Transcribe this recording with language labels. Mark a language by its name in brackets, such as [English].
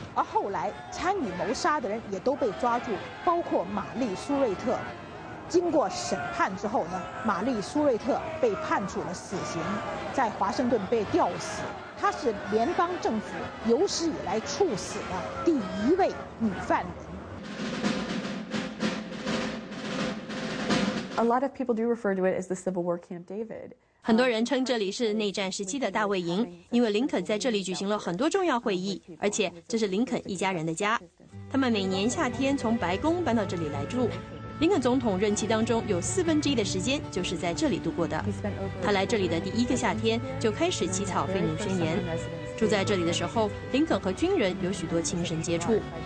[Chinese] 而后来参与谋杀的人也都被抓住，包括玛丽·苏瑞特。经过审判之后呢，玛丽·苏瑞特被判处了死刑，在华盛顿被吊死。她是联邦政府有史以来处死的第一位女犯人。 [English] A lot of people do refer to it as the Civil War Camp David. [Chinese] 很多人称这里是内战时期的大卫营，因为林肯在这里举行了很多重要会议，而且这是林肯一家人的家。他们每年夏天从白宫搬到这里来住。林肯总统任期当中有1/4的时间就是在这里度过的。他来这里的第一个夏天就开始起草《废奴宣言》。住在这里的时候，林肯和军人有许多亲身接触。